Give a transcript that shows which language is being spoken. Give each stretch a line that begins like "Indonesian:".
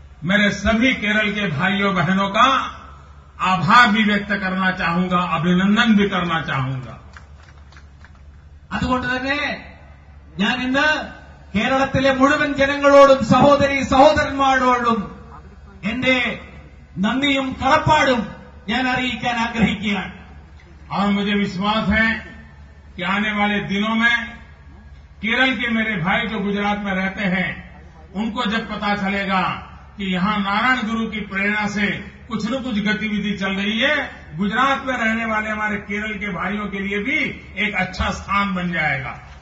Hindi: मेरे सभी केरल के भाइयों बहनों का आभार भी व्यक्त करना चाहूंगा, अभिनंदन भी करना चाहूंगा.
Malayalam: അതുകൊണ്ട് തന്നെ ഞാൻ ഇന്ന് കേരളത്തിലെ മുഴുവൻ ജനങ്ങളോടും സഹോദരി സഹോദരന്മാരോടും എന്റെ നന്ദിയും കടപ്പാടും ഞാൻ അറിയിക്കാൻ ആഗ്രഹിക്കുകയാണ്.
Hindi: और मुझे विश्वास है कि आने वाले दिनों में केरल के मेरे भाई जो गुजरात में रहते हैं उनको जब पता चलेगा कि यहां नारायण गुरु की प्रेरणा से कुछ न कुछ गतिविधि चल रही है, गुजरात में रहने वाले हमारे केरल के भाइयों के लिए भी एक अच्छा स्थान बन जाएगा.